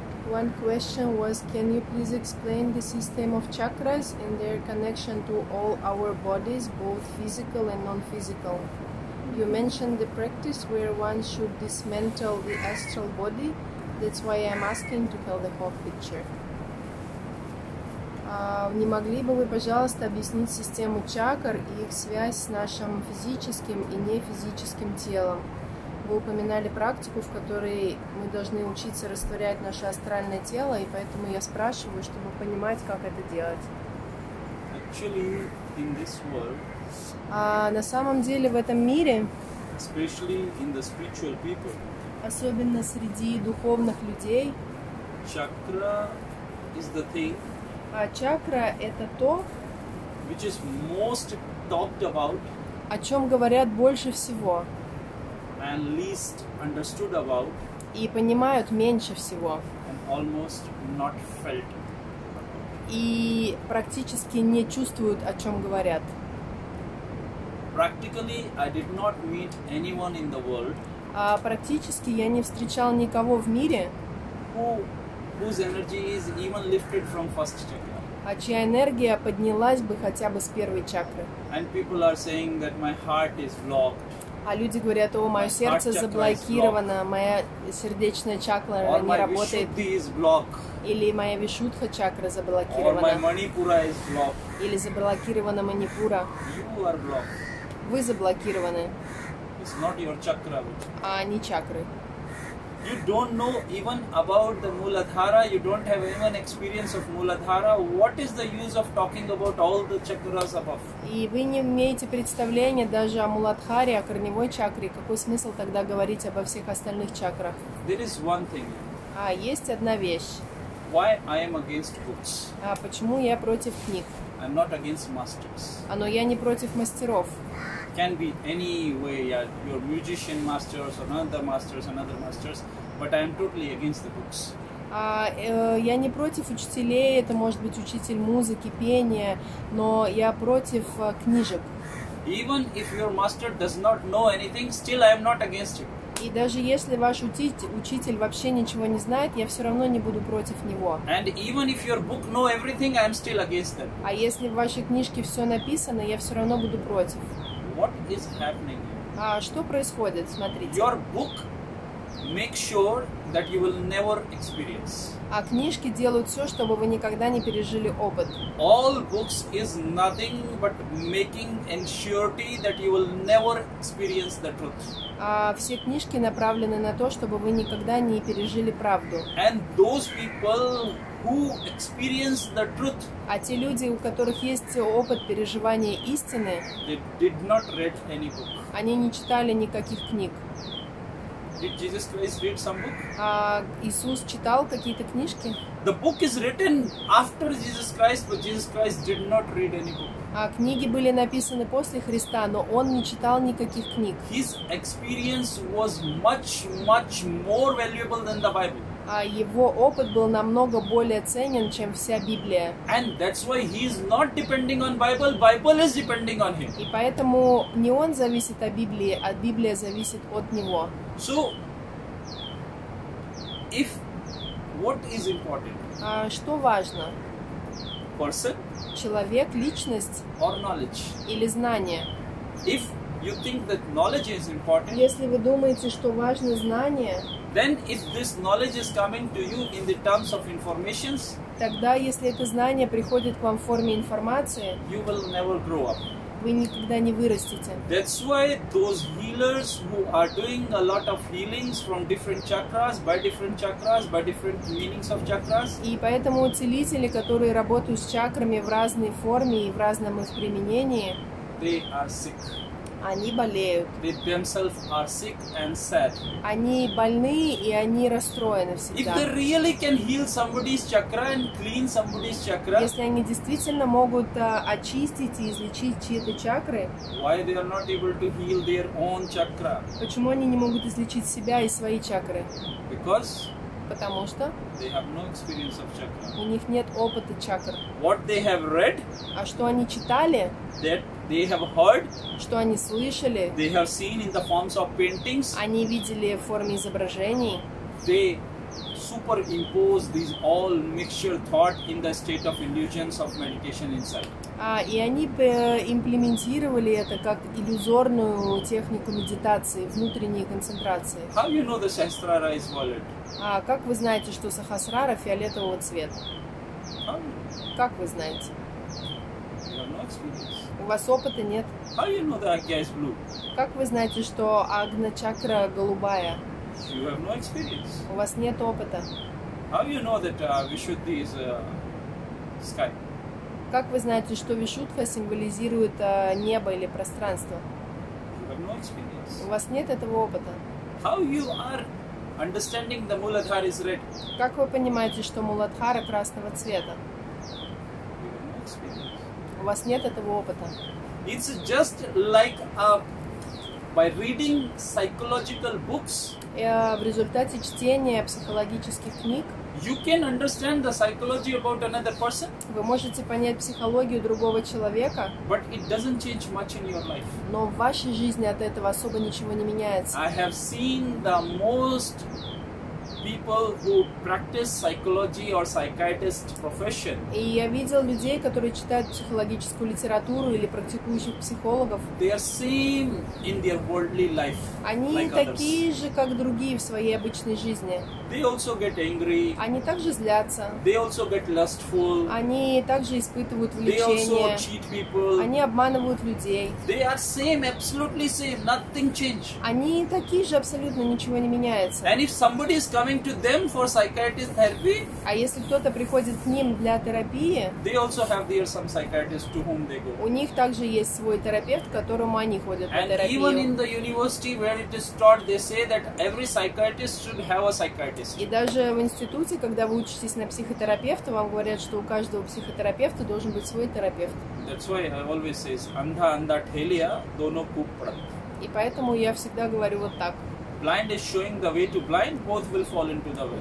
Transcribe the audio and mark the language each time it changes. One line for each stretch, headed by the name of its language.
English: One question was, can you please explain the system of chakras and their connection to all our bodies, both physical and non-physical? You mentioned the practice where one should dismantle the astral body. That's why I'm asking to tell the whole picture.
Russian: Не могли бы вы, пожалуйста, объяснить систему чакр и их связь с нашим физическим и нефизическим телом? Вы упоминали практику, в которой мы должны учиться растворять наше астральное тело, и поэтому я спрашиваю, чтобы понимать, как это делать.
English: Actually, in this world,
Russian: на самом деле в этом мире,
English: especially in the spiritual people,
Russian: особенно среди духовных людей,
English: чакра is the thing.
Russian: А чакра — это то,
English: which is most talked about,
Russian: о чем говорят больше всего
English: and least understood about,
Russian: и понимают меньше всего
English: and almost not felt about.
Russian: И практически не чувствуют, о чем говорят.
English: Practically, I did not meet anyone in the world,
Russian: а практически я не встречал никого в мире,
English: whose energy is even lifted from first chakra.
Russian: А чья энергия поднялась бы хотя бы с первой чакры.
English: And people are saying that my heart is blocked.
Russian: А люди говорят, о, мое сердце заблокировано, моя сердечная чакра
English: or
Russian: не работает. Или моя вишудха чакра заблокирована.
English: Or my манипура is blocked.
Russian: Или заблокирована манипура.
English: You are blocked.
Russian: Вы заблокированы.
English: It's not your chakra, which...
Russian: А не чакры.
English: You don't know even about the Mooladhara, you don't have even experience of Mooladhara. What is the use of talking about all the chakras above?
Russian: И вы не имеете представления даже о Мулатхаре, о корневой чакре. Какой смысл тогда говорить обо всех остальных чакрах?
English: There is one thing.
Russian: А, есть одна вещь.
English: Why I am against books?
Russian: А почему я против книг?
English: I'm not against masters.
Russian: А, но я не против мастеров.
English: Can be any way, your musician masters, another masters, but I am totally against the books.
Russian: Я не против учителей, это может быть учитель музыки, пения, но я против книжек.
English: Even if your master does not know anything, still I am not against you.
Russian: И И даже если ваш учитель вообще ничего не знает, я все равно не буду против него.
English: And even if your book know everything, I'm still against them.
Russian: А если в вашей книжке все написано, я все равно буду против.
English: What is happening?
Russian: А что происходит? Смотрите.
English: Your book makes sure that you will never experience.
Russian: А книжки делают все, чтобы вы никогда не пережили опыт.
English: All books is nothing but making surety that you will never experience the truth.
Russian: А все книжки направлены на то, чтобы вы никогда не пережили правду.
English: And those people who experience the truth.
Russian: А те люди, у которых есть опыт переживания истины.
English: They did not read any book.
Russian: Они не читали никаких книг.
English: Did Jesus Christ read some book?
Russian: Иисус читал какие-то книжки?
English: The book is written after Jesus Christ, but Jesus Christ did not read any book.
Russian: Книги были написаны после Христа, но он не читал никаких книг.
English: His experience was much, much more valuable than the Bible.
Russian: Его опыт был намного более ценен, чем вся Библия.
English: And that's why he is not depending on Bible. Bible is depending on him.
Russian: И поэтому не он зависит от Библии, а Библия зависит от него.
English: So, if what is important?
Russian: Что важно?
English: Person?
Russian: Человек, личность?
English: Or knowledge?
Russian: Или знание?
English: If you think that knowledge is important?
Russian: Если вы думаете, что важно знание?
English: Then if this knowledge is coming to you in the terms of informations?
Russian: Тогда если это знание приходит к вам в форме информации?
English: You will never grow up.
Russian: Вы никогда не вырастете.
English: That's why those healers who are doing a lot of healings from different chakras, by different chakras, by different meanings of chakras.
Russian: И поэтому целители, которые работают с чакрами в разной форме и в разном их применении,
English: they are sick.
Russian: Они болеют.
English: They themselves are sick and sad.
Russian: Они больны и они расстроены всегда.
English: If they really can heal somebody's chakra and clean somebody's chakra,
Russian: если они действительно могут очистить и излечить чьи-то чакры,
English: why they are not able to heal their own chakra?
Russian: Почему они не могут излечить себя и свои чакры?
English: Because
Russian: потому что
English: they have no experience of chakra.
Russian: У них нет опыта чакр.
English: What they have read?
Russian: А что они читали?
English: That they have heard.
Russian: Что они слышали?
English: They have seen in the forms of paintings.
Russian: Они видели в форме изображений.
English: They superimpose these all mixture thought in the state of illusions of meditation inside.
Russian: И они имплементировали это как иллюзорную технику медитации, внутренней концентрации.
English: How you know the Sahasrara is violet?
Russian: Как вы знаете, что Сахасрара фиолетового цвета?
English: How?
Russian: Как вы знаете?
English: You have no experience.
Russian: У вас опыта нет.
English: How you know the Agnya is blue?
Russian: Как вы знаете, что Агня чакра голубая?
English: You have no experience.
Russian: У вас нет опыта.
English: How you know that Vishuddhi is sky?
Russian: Как вы знаете, что Вишудха символизирует небо или пространство?
English: You have no experience.
Russian: У вас нет этого опыта.
English: How you are understanding the Mooladhar is red?
Russian: Как вы понимаете, что Мулатхара красного цвета?
English: You have no experience.
Russian: У вас нет этого опыта.
English: It's just like by reading psychological books.
Russian: В результате чтения психологических книг.
English: You can understand the psychology about another person.
Russian: Вы можете понять психологию другого человека.
English: But it doesn't change much in your life.
Russian: Но в вашей жизни от этого особо ничего не меняется.
English: I have seen the most people who practice psychology or psychiatrist profession.
Russian: И я видел людей, которые читают психологическую литературу или практикующих психологов.
English: They are same in their worldly life.
Russian: Они
English: like
Russian: такие
English: others.
Russian: Же, как другие в своей обычной жизни.
English: They also get angry.
Russian: Они также злятся.
English: They also get lustful.
Russian: Они также испытывают влечение.
English: They also cheat people.
Russian: Они обманывают людей.
English: They are same, absolutely same. Nothing change.
Russian: Они такие же абсолютно, ничего не меняется.
English: And if somebody is coming to them for psychiatrist therapy,
Russian: а если кто-то приходит к ним для терапии,
English: they also have there some psychiatrist to whom they go.
Russian: У них также есть свой терапевт, к которому они ходят на терапию.
English: And even in the university where it is taught, they say that every psychiatrist should have a psychiatrist.
Russian: И даже в институте, когда вы учитесь на психотерапевта, вам говорят, что у каждого психотерапевта должен быть свой терапевт.
English: That's why I always say,
Hindi: andha andha thelia dono kuprat.
Russian: И поэтому я всегда говорю вот так.
English: Blind is showing the way to blind, both will fall into the well.